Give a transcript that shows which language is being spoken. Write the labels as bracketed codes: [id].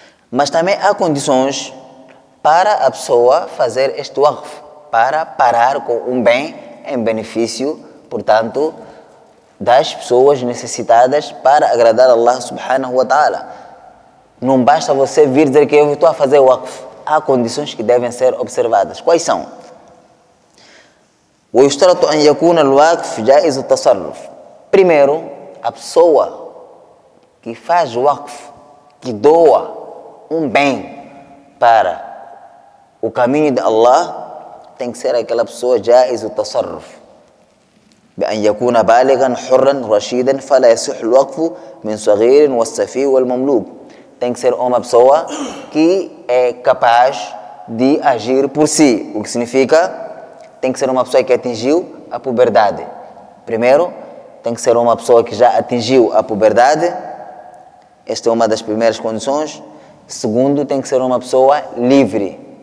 [pt] Mas também há condições para a pessoa fazer este waqf, para parar com um bem em benefício, portanto, das pessoas necessitadas para agradar Allah subhanahu wa ta'ala. Não basta você vir dizer que eu estou a fazer waqf. Há condições que devem ser observadas. Quais são? [ar] وَيُشْتَرَطُ أَنْ يَكُونَ الْوَاقْفِ جَائِزُ التَّصَرُّفِ. [pt] Primeiro, a pessoa que faz waqf, que doa um bem para o caminho de Allah, tem que ser aquela pessoa [ar] جَائِزُ التَّصَرُّفِ. بأن يكون بالغا حرا رشيدا فلا يصح الوقف من صغير والسفي والمملوك. [pt] Tem que ser uma pessoa que é capaz de agir por si, o que significa tem que ser uma pessoa que atingiu a puberdade. Primeiro, tem que ser uma pessoa que já atingiu a puberdade. Esta é uma das primeiras condições. Segundo, tem que ser uma pessoa livre.